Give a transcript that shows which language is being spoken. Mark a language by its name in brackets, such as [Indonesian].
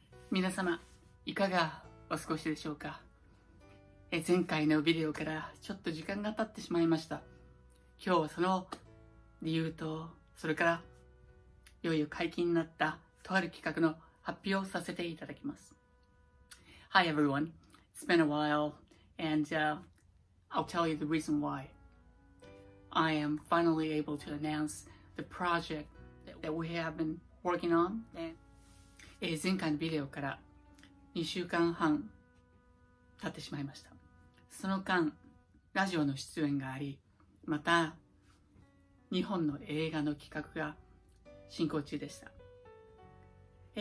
[Japanese] 皆様いかがお過ごしでしょうか。前回のビデオからちょっと時間が経ってしまいました。今日はその理由と、それからいよいよ解禁になったとある企画の発表させていただきます。 [English] Hi everyone, it's been a while and I'll tell you the reason why I am finally able to announce the project that we have been working on. [Japanese] 前回のビデオから2週間半経ってしまいました。その間ラジオの出演があり、また日本の映画の企画が進行中でした。